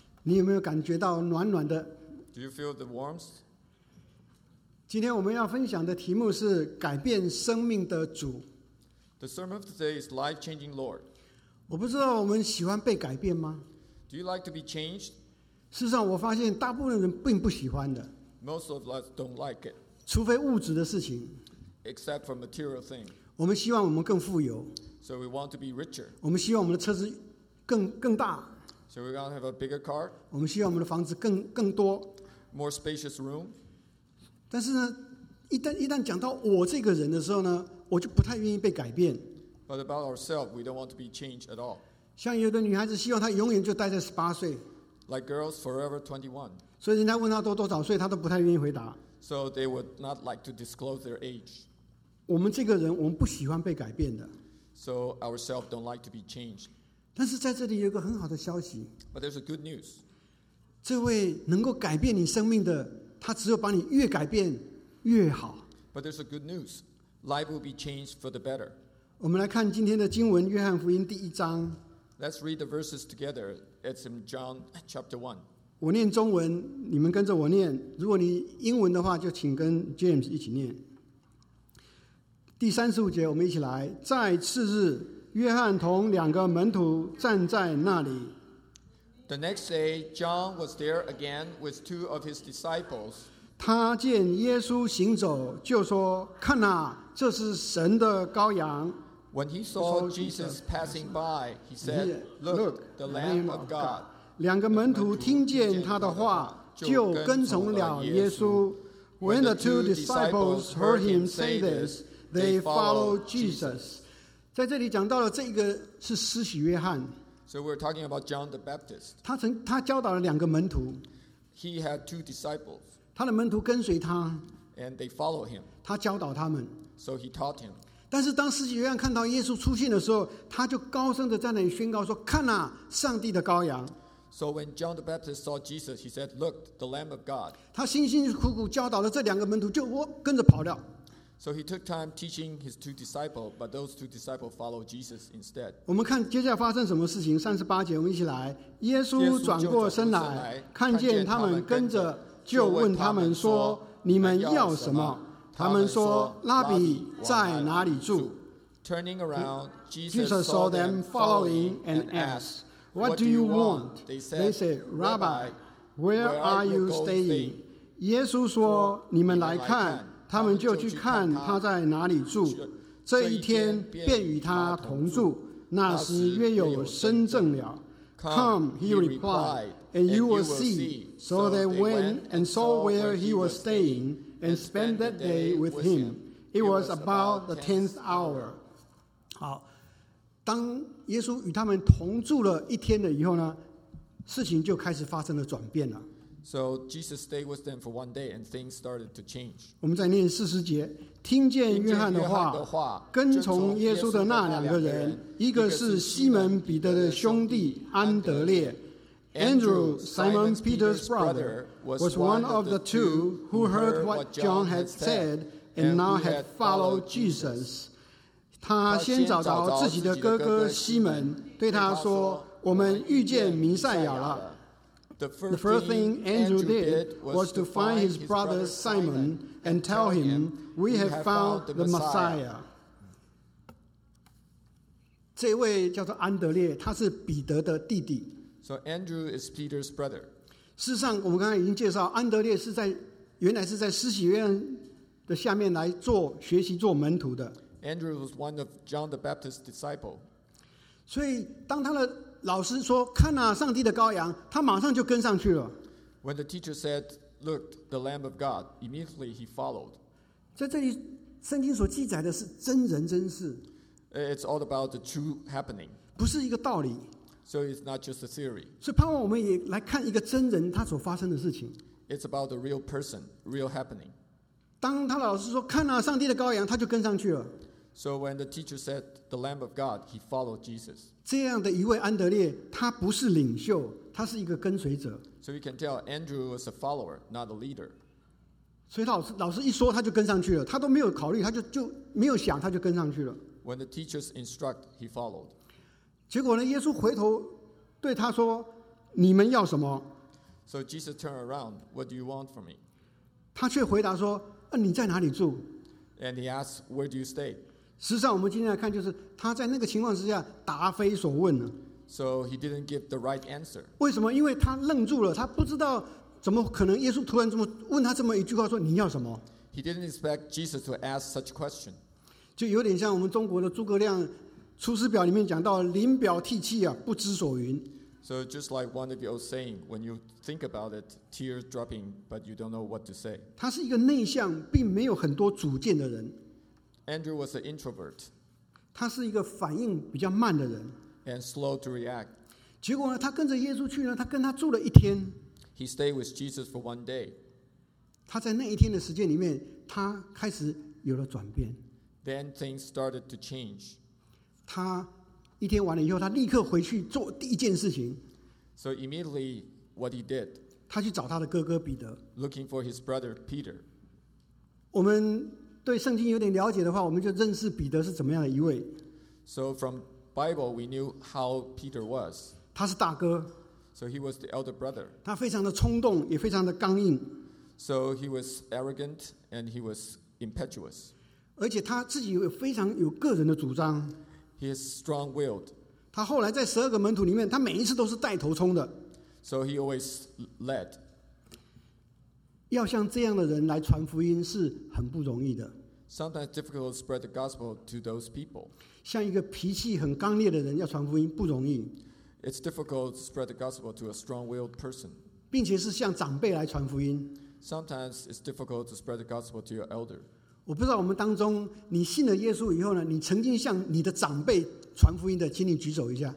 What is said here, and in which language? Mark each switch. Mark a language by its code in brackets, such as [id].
[zh] 你有没有感觉到暖暖的？ [en] Do you feel the warmth? [zh] 今天我们要分享的题目是改变生命的主。 [en] The sermon of today is life-changing Lord. [zh] 我不知道我们喜欢被改变吗？ [en] Do you like to be changed? [zh] 事实上我发现大部分人并不喜欢的。 [en] Most of us don't like it. [zh] 除非物质的事情。 [en] Except for material things. [zh] 我们希望我们更富有。 [en] So we want to be richer. [zh] 我们希望我们的车子更大。 [en] So we want to have a bigger car. [zh] 我们希望我们的房子更多。 [en] More spacious room. [zh] 但是呢，一旦讲到我这个人的时候呢，我就不太愿意被改变。 [en] But about ourselves, we don't want to be changed at all. [zh] 像有的女孩子希望她永远就待在十八岁。 [en] Like girls, forever 21. [zh] 所以人家问她多少岁，她都不太愿意回答。 [en] So they would not like to disclose their age. [zh] 我们这个人，我们不喜欢被改变的。 [en] So ourselves don't like to be changed. [zh] 但是在这里有一个很好的消息。 [en] But there's a good news. [zh] 这位能够改变你生命的，他只有把你越改变越好。 [en] But there's a good news. Life will be changed for the better. [zh] 我们来看今天的经文，约翰福音第一章。 [en] Let's read the verses together. It's in John chapter 1. [zh] 我念中文，你们跟着我念。如果你英文的话，就请跟 James 一起念。第三十五节，我们一起来。在次日，约翰同两个门徒站在那里。 [en] The next day, John was there again with two of his disciples. [zh] 他见耶稣行走，就说：“看哪，这是神的羔羊。” [en] When he saw Jesus passing by, he said, "Look, the Lamb of God." [zh] 两个门徒听见他的话，就跟从了耶稣。 [en] When the two disciples heard him say this. They follow Jesus. [zh] 在这里讲到了这个是施洗约翰。 [en] So we're talking about John the Baptist. [zh] 他教导了两个门徒。 [en] He had two disciples. [zh] 他的门徒跟随他。 [en] And they follow him. [zh] 他教导他们。 [en] So he taught him. [zh] 但是当施洗约翰看到耶稣出现的时候，他就高声的在那里宣告说：“看啊，上帝的羔羊。” [en] So when John the Baptist saw Jesus, he said, "Look, the Lamb of God." [zh] 他辛辛苦苦教导了这两个门徒，就跟着跑掉。 [en] So he took time teaching his two disciples, but those two disciples followed Jesus instead. [zh] 我们看接下来发生什么事情。三十八节，我们一起来。耶稣转过身来，看见他们跟着，就问他们说：“你们要什么？” 他们说：“拉比在哪里住？” [en] Turning around, Jesus saw them following and asked, "What do you want?" They said, "Rabbi, where are you staying?" [zh] 耶稣说：“你们来看。” 他们就去看他在哪里住，这一天便与他同住。那时约有深正了。 [en] Come, he replied, and you will see. So they went and saw where he was staying and spent that day with him. It was about the 10th hour. [zh] 好，当耶稣与他们同住了一天的以后呢，事情就开始发生了转变了。 [en] So Jesus stayed with them for one day, and things started to change. [zh] 我们再念四十节，听见约翰的话，跟从耶稣的那两个人，一个是西门彼得的兄弟安德烈。 [en] Andrew, Simon Peter's brother, was one of the two who heard what John had said and now had followed Jesus. [zh] 他先找到自己的哥哥西门，对他说：“我们遇见弥赛亚了。” [en] The first thing Andrew did was to find his brother Simon and tell him, "We have found the Messiah." [zh] 这位叫做安德烈，他是彼得的弟弟。 [en] So Andrew is Peter's brother. [zh] 事实上，我们刚才已经介绍，安德烈是在原来是在施洗约翰的下面来做学习做门徒的。 [en] Andrew was one of John the Baptist's disciple. [zh] 所以当他的老师说：“看啊，上帝的羔羊。” 他马上就跟上去了。 [en] When the teacher said, "Look, the Lamb of God," immediately he followed. [zh] 在这里，圣经所记载的是真人真事。 [en] It's all about the true happening. [zh] 不是一个道理。 [en] So it's not just a theory. [zh] 所以盼望我们也来看一个真人他所发生的事情。 [en] It's about the real person, real happening. [zh] 当他老师说：“看啊，上帝的羔羊。”他就跟上去了。 [en] So when the teacher said, "The Lamb of God," he followed Jesus. [zh] 这样的一位安德烈，他不是领袖，他是一个跟随者。 [en] So you can tell Andrew was a follower, not a leader. [zh] 所以老师一说，他就跟上去了，他都没有考虑，他就没有想，他就跟上去了。 [en] When the teachers instruct, he followed. [zh] 结果呢，耶稣回头对他说，你们要什么？ [en] So Jesus turned around, what do you want from me? [zh] 他却回答说，你在哪里住？ [en] And he asked, where do you stay? [zh] 实际上我们今天来看，就是他在那个情况之下答非所问了。 [en] So he didn't give the right answer. [zh] 为什么？因为他愣住了，他不知道怎么可能耶稣突然这么问他这么一句话，说你要什么？ [en] He didn't expect Jesus to ask such a question. [zh] 就有点像我们中国的诸葛亮《出师表》里面讲到，临表涕泣啊，不知所云。 [en] So just like one of the old saying, when you think about it, tears dropping, but you don't know what to say. [zh] 他是一个内向，并没有很多主见的人。 [en] Andrew was an introvert. [zh] 他是一个反应比较慢的人。 [en] And slow to react. [zh] 结果呢，他跟着耶稣去呢，他跟他住了一天。 [en] He stayed with Jesus for one day. [zh] 他在那一天的时间里面，他开始有了转变。 [en] Then things started to change. [zh] 他一天完了以后，他立刻回去做第一件事情。 [en] So immediately, what he did? [zh] 他去找他的哥哥彼得。 [en] Looking for his brother Peter. [zh] 我们对圣经有点了解的话，我们就认识彼得是怎么样的一位。 [en] So from Bible, we knew how Peter was. [zh] 他是大哥。 [en] So he was the elder brother. [zh] 他非常的冲动，也非常的刚硬。 [en] So he was arrogant and he was impetuous. [zh] 而且他自己有非常有个人的主张。 [en] He is strong-willed. [zh] 他后来在十二个门徒里面，他每一次都是带头冲的。 [en] So he always led. [zh] 要像这样的人来传福音是很不容易的。 [en] Sometimes difficult to spread the gospel to those people. [zh] 像一个脾气很刚烈的人要传福音不容易。 [en] It's difficult to spread the gospel to a strong-willed person. [zh] 并且是向长辈来传福音。 [en] Sometimes it's difficult to spread the gospel to your elder. [zh] 我不知道我们当中，你信了耶稣以后呢，你曾经向你的长辈传福音的，请你举手一下。